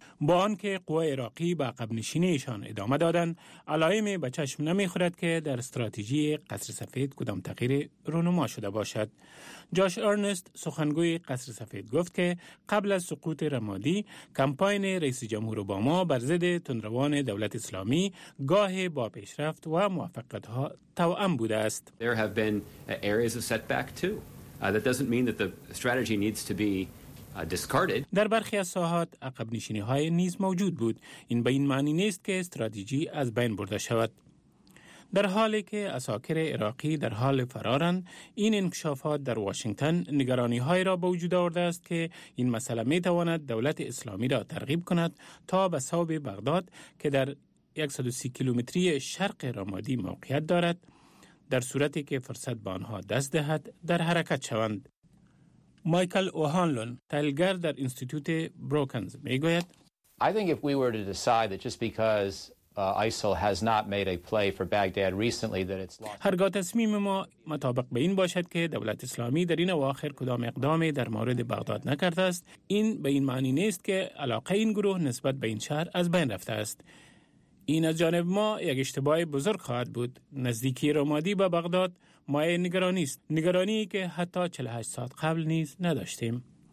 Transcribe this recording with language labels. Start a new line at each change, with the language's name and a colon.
Persian: با آنکه قوای عراقی به عقب نشینیشان ادامه دادند، علائم به چشم نمی خورد که در استراتژی قصر سفید کدام تغییر رونما شده باشد. جاش ارنست، سخنگوی قصر سفید، گفت که قبل از سقوط رمادی، کمپاین رئیس جمهور اوباما بر ضد تندروان دولت اسلامی گاه با پیشرفت و موفقیت‌ها توأم بوده است.
English: There have been areas of setback too. That doesn't mean that the strategy needs to be discarded.
Persian: در برخی از ساحات عقب نشینی های نیز موجود بود. این به این معنی نیست که استراتژی از بین برده شود. در حالی که عساکر عراقی در حال فرارند، این انکشافات در واشنگتن نگرانی های را به وجود آورده است که این مسئله می تواند دولت اسلامی را ترغیب کند تا به صوب بغداد که در 130 کیلومتری شرق رمادی موقعیت دارد، در صورتی که فرصت به آنها دست دهد در حرکت شوند. مایکل اوهانلون، تحلیلگر در اینستیتوت بروکنز، میگوید:
English: I think if we were to decide that just because ISIL has not made a play for Baghdad recently that it's lost.
Persian: هرگاه تصمیم ما مطابق به این باشد که دولت اسلامی در این اواخر کدام اقدامی در مورد بغداد نکرده است، این به این معنی نیست که علاقه این گروه نسبت به این شهر از بین رفته است. این از جانب ما یک اشتباه بزرگ خواهد بود. نزدیکی رمادی به بغداد مایه نگرانی است، نگرانی که حتی 48 ساعت قبل نیز نداشتیم.